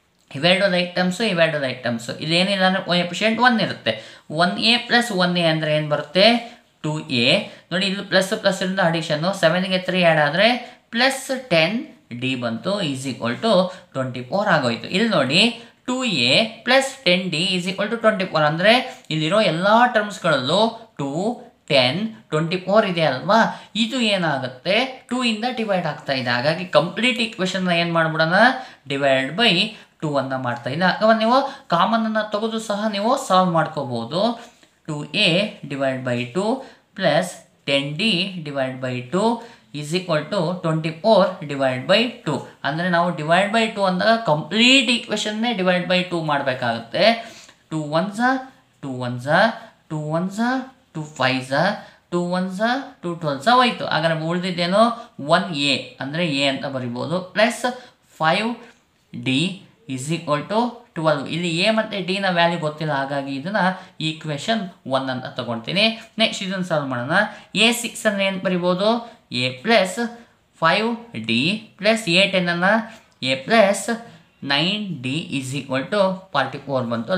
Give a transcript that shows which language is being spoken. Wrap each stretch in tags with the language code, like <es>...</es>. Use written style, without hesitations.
<kn>ಇವೆರಡು ಐಟಮ್ಸು ಇವೆರಡು ಐಟಮ್ಸು ಇದೇನಿಲ್ಲ ಅಂದರೆ ಕೋಎಫಿಷಿಯೆಂಟ್ 1 ಇರುತ್ತೆ 1A + 1A ಅಂದರೆ ಏನು ಬರುತ್ತೆ 2A ನೋಡಿ ಇಲ್ಲಿ ++ ಇಂದ ಅಡಿಷನ್ನು 7 - 3 ಆ್ಯಡ್ ಆದರೆ +10D ಬಂತು ಈಸ್ ಈಕ್ವಲ್ ಟು 24 ಆಗೋಯಿತು ಇಲ್ಲಿ ನೋಡಿ 2A + 10D is equal to 24 ಅಂದರೆ ಇಲ್ಲಿರೋ ಎಲ್ಲ ಟರ್ಮ್ಸ್ಗಳಲ್ಲೂ 2, 10, 24 ಇದೆ ಅಲ್ವಾ ಇದು ಏನಾಗುತ್ತೆ 2 ಡಿವೈಡ್ ಆಗ್ತಾ ಇದೆ ಹಾಗಾಗಿ ಕಂಪ್ಲೀಟ್ ಈಕ್ವೇಷನ್ನ ಏನು ಮಾಡಿಬಿಡೋಣ ಡಿವೈಡ್ ಬೈ 2 ಮಾಡ್ತಾ ಇದೆ ಅಥವಾ ನೀವು ಕಾಮನ್ ಅನ್ನು ತೆಗೆದು ಸಹ ನೀವು ಸಾಲ್ವ್ ಮಾಡ್ಕೋಬಹುದು 2A / 2</kn> <en>plus 10d divided by 2 is equal to 24 divided by 2.</en> <kn>ಅಂದರೆ ನಾವು ಡಿವೈಡ್ ಬೈ 2 ಅಂದಾಗ ಕಂಪ್ಲೀಟ್ ಈಕ್ವೇಷನ್ನೇ ಡಿವೈಡ್ ಬೈ 2 ಮಾಡಬೇಕಾಗುತ್ತೆ.</kn> <en>2 ones, 2 ones, 2 ones, 2 5s, 2 ones, 2 12s</en> <kn>ಹೋಯ್ತು. ಹಾಗಾದ್ರೆ ಉಳಿದಿದ್ದೇನು 1a, ಅಂದರೆ a ಅಂತ ಬರಿಬೋದು, plus 5d is equal to 12. ಇಲ್ಲಿ ಎ ಮತ್ತು ಡಿನ ವ್ಯಾಲ್ಯೂ ಗೊತ್ತಿಲ್ಲ, ಹಾಗಾಗಿ ಇದನ್ನು ಈಕ್ವೇಷನ್ 1 ಅಂತ ತಗೊಳ್ತೀನಿ. ನೆಕ್ಸ್ಟ್ ಇದನ್ನು ಸಾಲ್ವ್ ಮಾಡೋಣ. ಎ 6 ಅನ್ನು ಏನು ಬರಿಬೋದು, A plus 5d plus A 10 ಅನ್ನು A plus 9d is equal to 44 ಬಂತು.</kn>